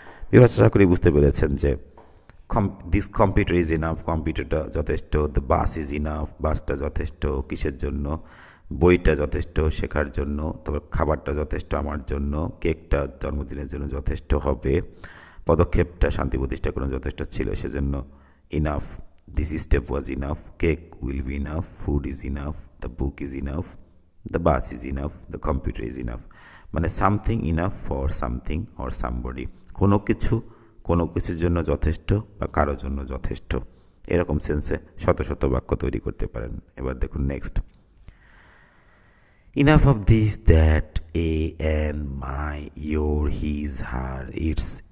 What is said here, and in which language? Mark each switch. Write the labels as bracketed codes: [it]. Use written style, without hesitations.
[bn] বিভাস আশা করি বুঝতে পেরেছেন যে [en] this computer is enough, [bn] কম্পিউটারটা যথেষ্ট, [en] the bus is enough, [bn] বাসটা যথেষ্ট কিসের জন্য, বইটা যথেষ্ট শেখার জন্য, তবে খাবারটা যথেষ্ট আমার জন্য, কেকটা জন্মদিনের জন্য যথেষ্ট হবে, পদক্ষেপটা শান্তি প্রতিষ্ঠা করার যথেষ্ট ছিল, সেজন্য enough [en] this step was enough, cake will be enough, food is enough, the book is enough, the bus is enough, the computer is enough. [bn] মানে [en] something enough for something or somebody, [bn] কোনো কিছু কোনো কিছুর জন্য যথেষ্ট বা কারোর জন্য যথেষ্ট, এরকম সেন্সে শত শত বাক্য তৈরি করতে পারেন। এবার দেখুন [en] Next, enough of this that a an my your his her its.